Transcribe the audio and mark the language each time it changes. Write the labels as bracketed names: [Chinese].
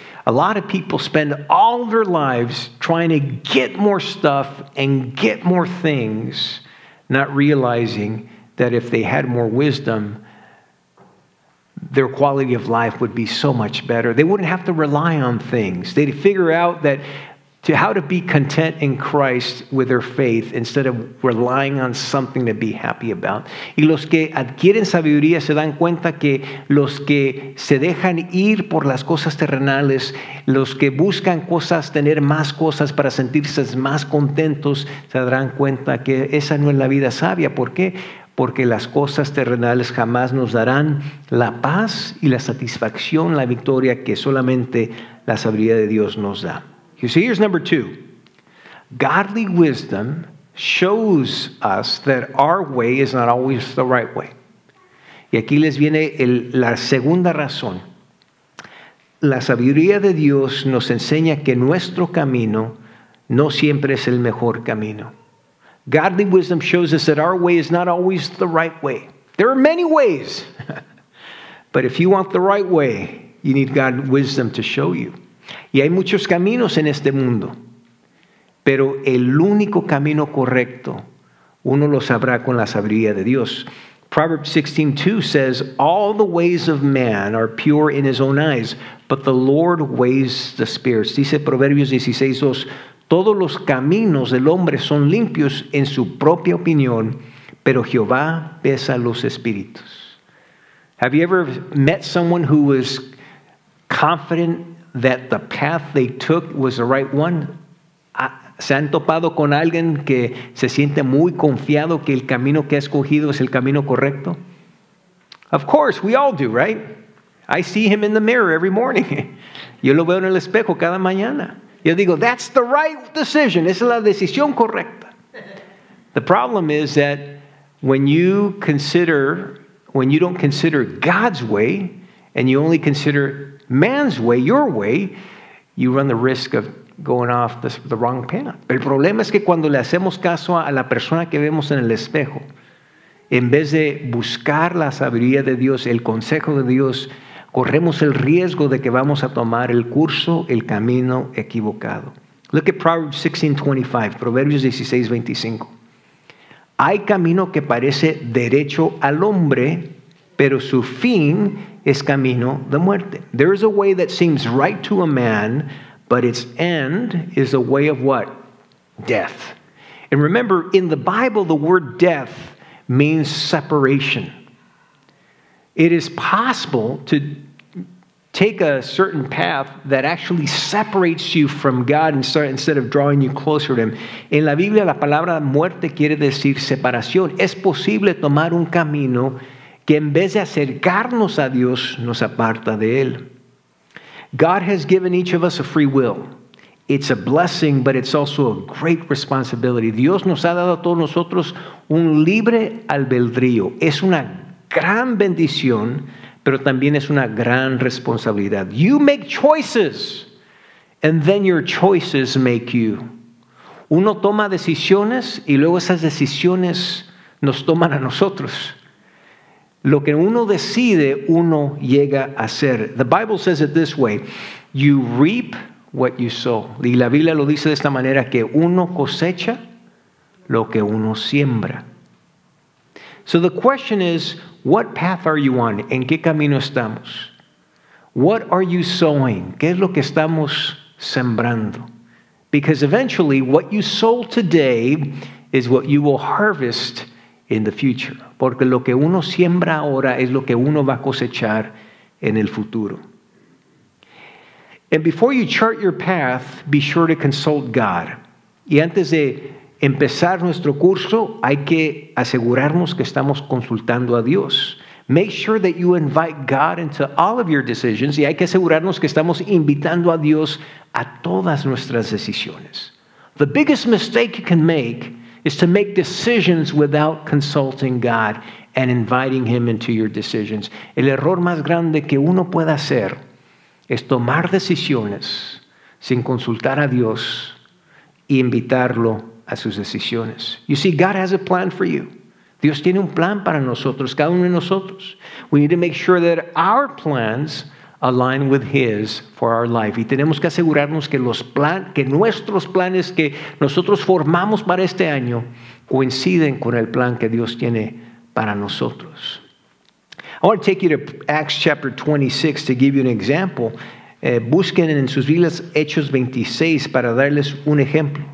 [English] A lot of people spend all their lives trying to get more stuff and get more things, not realizing that if they had more wisdom, their quality of life would be so much better. They wouldn't have to rely on things. They'd figure out that to how to be content in Christ with their faith instead of relying on something to be happy about. [Spanish] Y los que adquieren sabiduría se dan cuenta que los que se dejan ir por las cosas terrenales, los que buscan cosas, tener más cosas para sentirse más contentos, se darán cuenta que esa no es la vida sabia. ¿Por qué? Porque las cosas terrenales jamás nos darán la paz y la satisfacción, la victoria que solamente la sabiduría de Dios nos da. [English] You see, here's number two. Godly wisdom shows us that our way is not always the right way. [Spanish] Y aquí les viene la segunda razón. La sabiduría de Dios nos enseña que nuestro camino no siempre es el mejor camino. [English] Godly wisdom shows us that our way is not always the right way. There are many ways. But if you want the right way, you need God's wisdom to show you. [Spanish] Y hay muchos caminos en este mundo, pero el único camino correcto, uno lo sabrá con la sabiduría de Dios. [English] Proverbs 16:2 says, "All the ways of man are pure in his own eyes, but the Lord weighs the spirits." [Spanish] Dice Proverbios 16:2, "Todos los caminos del hombre son limpios en su propia opinión, pero Jehová pesa los espíritus." [English] Have you ever met someone who was confident that the path they took was the right one? [Spanish] ¿Se han topado con alguien que se siente muy confiado que el camino que ha escogido es el camino correcto? [English] Of course, we all do, right? I see him in the mirror every morning. [Spanish] Yo lo veo en el espejo cada mañana. Yo digo, [English] that's the right decision. [Spanish] Esa es la decisión correcta. [English] The problem is that when you don't consider God's way, and you only consider man's way, your way, you run the risk of going off the wrong path. [Spanish] El problema es que cuando le hacemos caso a la persona que vemos en el espejo, en vez de buscar la sabiduría de Dios, el consejo de Dios, corremos el riesgo de que vamos a tomar el curso, el camino equivocado. [English] Look at Proverbs 16:25, Proverbios 16:25. [Spanish] Hay camino que parece derecho al hombre, pero su fin es camino de muerte. [English] There is a way that seems right to a man, but its end is a way of what? Death. And remember, in the Bible, the word death means separation. It is possible to take a certain path that actually separates you from God instead of drawing you closer to Him. [Spanish] En la Biblia, la palabra muerte quiere decir separación. Es posible tomar un camino que en vez de acercarnos a Dios, nos aparta de Él. [English] God has given each of us a free will. It's a blessing, but it's also a great responsibility. [Spanish] Dios nos ha dado a todos nosotros un libre albedrío. Es una gran bendición, pero también es una gran responsabilidad. [English] You make choices, and then your choices make you. [Spanish] Uno toma decisiones, y luego esas decisiones nos toman a nosotros. Lo que uno decide, uno llega a ser. [English] The Bible says it this way, you reap what you sow. [Spanish] Y la Biblia lo dice de esta manera, que uno cosecha lo que uno siembra. [English] So the question is, what path are you on? [Spanish] ¿En qué camino estamos? [English] What are you sowing? [Spanish] ¿Qué es lo que estamos sembrando? [English] Because eventually, what you sow today is what you will harvest in the future. [Spanish] Porque lo que uno siembra ahora es lo que uno va a cosechar en el futuro. [English] And before you chart your path, be sure to consult God. [Spanish] Y antes de empezar nuestro curso, hay que asegurarnos que estamos consultando a Dios. [English] Make sure that you invite God into all of your decisions. [Spanish] Y hay que asegurarnos que estamos invitando a Dios a todas nuestras decisiones. [English] The biggest mistake you can make is to make decisions without consulting God and inviting Him into your decisions. [Spanish] El error más grande que uno pueda hacer es tomar decisiones sin consultar a Dios y invitarlo a sus decisiones. [English] You see, God has a plan for you. [Spanish] Dios tiene un plan para nosotros, cada uno de nosotros. [English] We need to make sure that our plans align with His for our life. [Spanish] Y tenemos que asegurarnos que los plan, que nuestros planes que nosotros formamos para este año coinciden con el plan que Dios tiene para nosotros. [English] I want to take you to Acts chapter 26 to give you an example. [Spanish] Busquen en sus Biblias Hechos 26 para darles un ejemplo.